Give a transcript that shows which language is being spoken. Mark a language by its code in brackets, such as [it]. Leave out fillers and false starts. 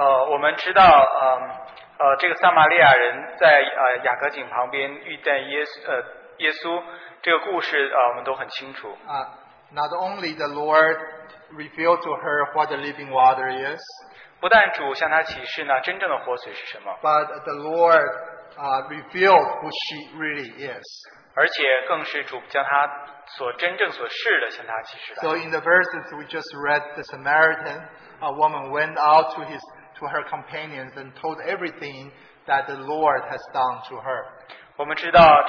[zh] 我们知道，这个撒玛利亚人在雅各井旁边遇见耶稣，这个故事我们都很清楚。 [en] Not only the Lord revealed to her what the living water is, [zh] 不但主向她启示那真正的活水是什么, [en] but the Lord revealed who she really is. [zh] 而且更是主将她所真正所示的向她启示来。 [en] So in the verses we just read, the Samaritan woman went out to her companions and told everything that the Lord has done to her.